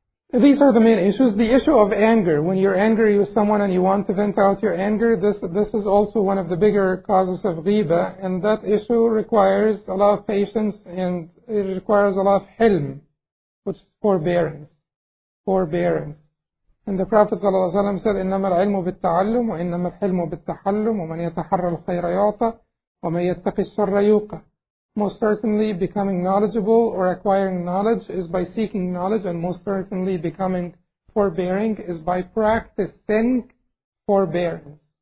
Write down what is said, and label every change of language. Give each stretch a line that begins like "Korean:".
English: These are the main issues. The issue of anger. When you're angry with someone and you want to vent out your anger, this is also one of the bigger causes of ghibah. And that issue requires a lot of patience and it requires a lot of hilm, which is forbearance. Forbearance. And the Prophet ﷺ said,
Arabic: إِنَّمَا الْعِلْمُ بِالتَّعَلُّمُ وَإِنَّمَا الْحِلْمُ بِالتَّحَلُّمُ وَمَنْ يَتَحَرَّ الْخَيْرَ يُعْطَى وَمَنْ يَتَّقِ الشَّرَّ يُوقَى.
English: Most certainly becoming knowledgeable or acquiring knowledge is by seeking knowledge, and most certainly becoming forbearing is by practicing forbearance.